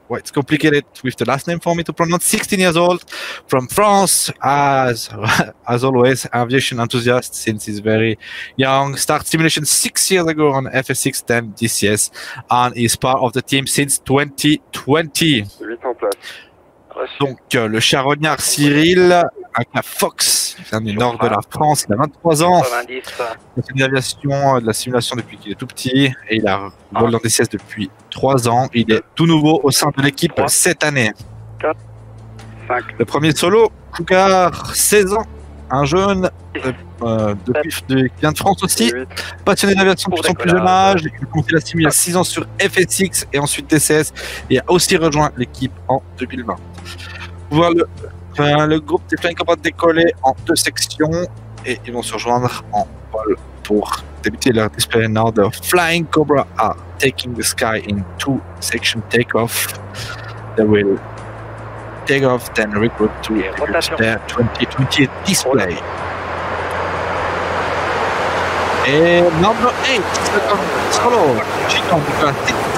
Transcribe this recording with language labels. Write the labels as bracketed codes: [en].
[en] Well, it's complicated with the last name for me to pronounce. 16 years old, from France, as always, aviation enthusiast since he's very young. Start simulation 6 years ago on FS6, then DCS, and is part of the team since 2020. [fr] Donc, le charognard Cyril, avec la Fox, vient du nord de la France, il a 23 ans. Il a fait de l'aviation, de la simulation depuis qu'il est tout petit, et il a volé en DCS depuis 3 ans. Il est tout nouveau au sein de l'équipe cette année. 4, 5. Le premier solo, Cougar, 16 ans, un jeune, qui vient de France aussi. 8, passionné d'aviation pour son plus jeune âge, il a commencé la simulation il y a 6 ans sur FSX et ensuite DCS, et a aussi rejoint l'équipe en 2020. Voir le groupe des Flying Cobras décoller en deux sections et ils vont se rejoindre en vol pour débuter leur display nord. [en] Flying Cobra are taking the sky in two section takeoff. They will take off then regroup to their 2020 display. [fr] Et number 8, solo, Chiton de Classic.